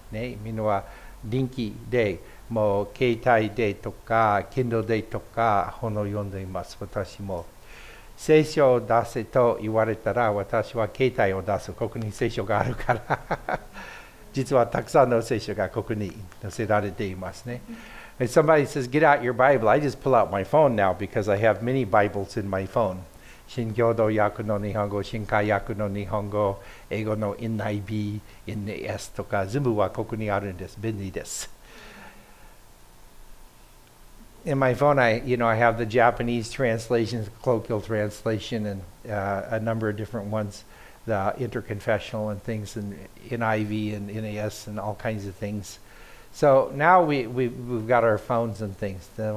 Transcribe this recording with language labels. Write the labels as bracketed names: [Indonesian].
[Japanese] ね、みんなは臨機でもう携帯でとか Kindle でとか本を読んでいます。私も。聖書を出せと言われたら私は携帯を出す。ここに聖書があるから実はたくさんの聖書がここに載せられていますね。 [English] And somebody says get out your Bible. I just pull out my phone now because I have many Bibles in my phone. [Japanese] 新共同訳の日本語、新海訳の日本語、英語の NIB、NAS とか、全部はここにあるんです。便利です。 [English] In my phone, I have the Japanese translations, colloquial translation, and a number of different ones, the interconfessional and things, and NIV and NAS and all kinds of things. So now we've got our phones and things.